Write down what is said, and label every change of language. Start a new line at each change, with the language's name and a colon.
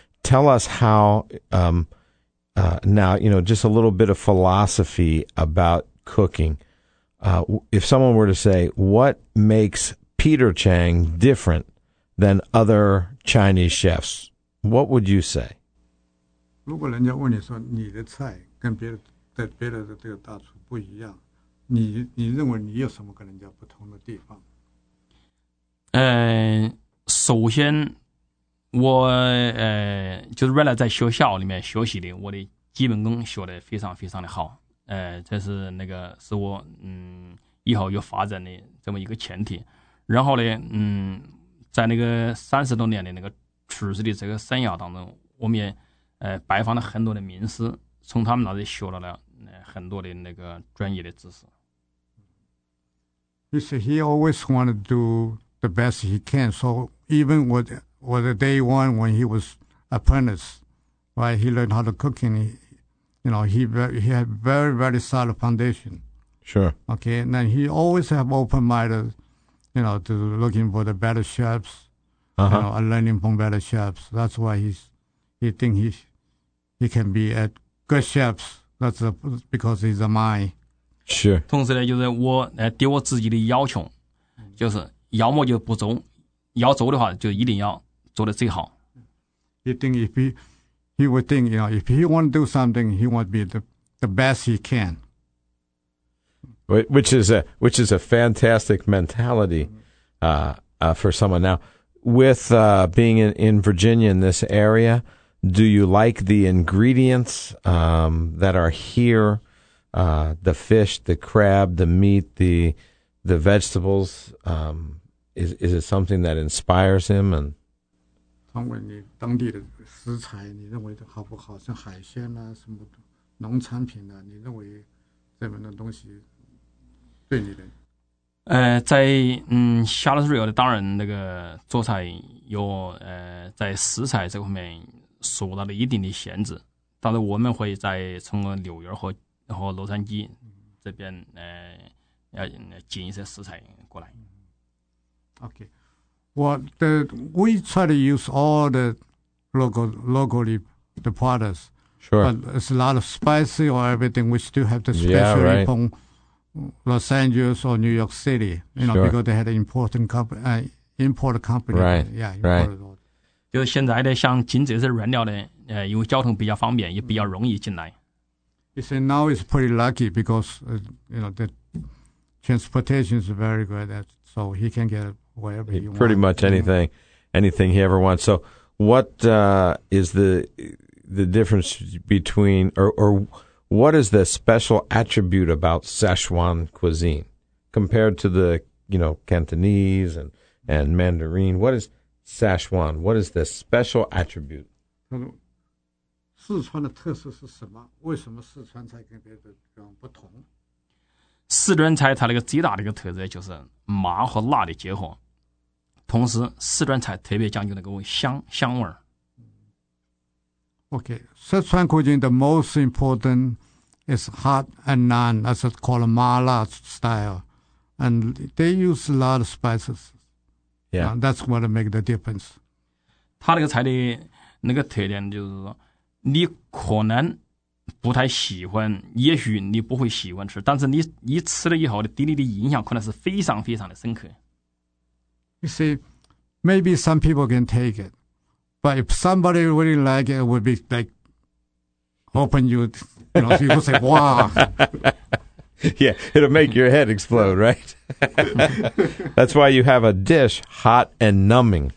English: Tell us how, now, you know, just a little bit of philosophy about cooking. If someone were to say, what makes Peter Chang different than other Chinese chefs, what would you say?
Chinese: 如果人家问你说你的菜跟别的这个大厨不一样，你认为你有什么跟人家不同的地方？首先我就是原来在学校里面学习的，我的基本功学的非常非常的好，这是那个是我以后有发展的这么一个前提。然后呢，在那个30多年的那个厨师的这个生涯当中，我们也拜访了很多的名师，从他们那里学到了很多的那个专业的知识。
English: He said he always wanted to do the best he can, so even with the day one when he was apprentice, right? He learned how to cook, and he had very, very solid foundation. Sure. Okay, and then he always have open-minded, you know, to looking for the better chefs, and learning from better chefs. That's why he think he can be at good chefs. That's because he's a mind. Sure.
Chinese: 同时呢，就是我对我自己的要求，就是要么就不做，要做的话就一定要做得最好。
English: He think if he would think, you know, if he want to do something, he want to be the best he can. Which is a fantastic mentality for someone. Now, with being in Virginia in this area, do you like the ingredients that are here, the fish, the crab, the meat, the vegetables? Is it something that inspires him and...
Chinese: 通过你当地的食材，你认为好不好？像海鲜啊，什么农产品啊，你认为这边的东西对你的？在夏洛特维尔的当然那个做菜有在食材这方面受到了一定的限制，但是我们会在从纽约和洛杉矶这边要进一些食材过来。
English: OK。 Well, we try to use all the locally the products. Sure. But it's a lot of spicy or everything. We still have the specialty from Los Angeles or New York City, you know,、 sure. because they had an important import company. Right, yeah, right.
Chinese: 就现在的像进这些原料的、因为交通比较方便也比较容易进来。
English: You see, now it's pretty lucky because,、you know, the transportation is very good, so he can get wherever he wants. Pretty much anything, you know. Anything he ever wants. So what、is the difference between, or what is the special attribute about Sichuan cuisine compared to the, you know, Cantonese and Mandarin? What is Sichuan? What is the special attribute?
Chinese: 四川的特色是什么？为什么四川菜跟别的地方不同？四川菜它那个最大的一个特色就是麻和辣的结合，同时四川菜特别讲究那个香味儿。
English: Okay, Sichuan cuisine, the most important is hot and naan, that's called mala style. And they use a lot of spices. Yeah. That's what makes the difference.
Chinese: 它那个菜的那个特点就是说你可能不太喜欢，也许你不会喜欢吃，但是你吃了以后对你的影响可能是非常非常的深刻。
English: You see, maybe some people can take it. But if somebody really like it, it would be like, open you, you know, you would say, wow. Yeah, it'll make your head explode, right? That's why you have a dish hot and numbing,、